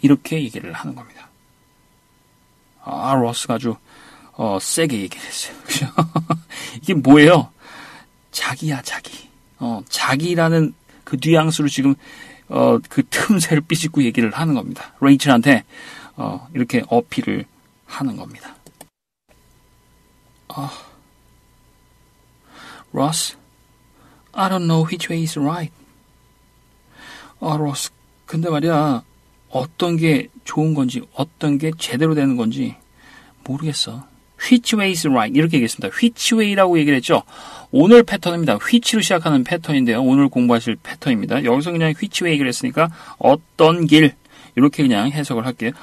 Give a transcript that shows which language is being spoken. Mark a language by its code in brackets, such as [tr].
[ko] 이렇게 얘기를 하는 겁니다. 아, 로스가 아주 세게 얘기를 했어요. 그죠? 이게 뭐예요? 자기야, 자기. 자기라는 그 뉘앙스로 지금 그 틈새를 삐짓고 얘기를 하는 겁니다. 레이첼한테 이렇게 어필을 하는 겁니다. [en] 로스, I don't know which way is right. [ko] 로스, 근데 말이야, 어떤 게 좋은 건지, 어떤 게 제대로 되는 건지 모르겠어. [en] Which way is right? [ko] 이렇게 얘기했습니다. Which way라고 얘기를 했죠. 오늘 패턴입니다. Which로 시작하는 패턴인데요. 오늘 공부하실 패턴입니다. 여기서 그냥 which way 얘기를 했으니까 어떤 길, 이렇게 그냥 해석을 할게요.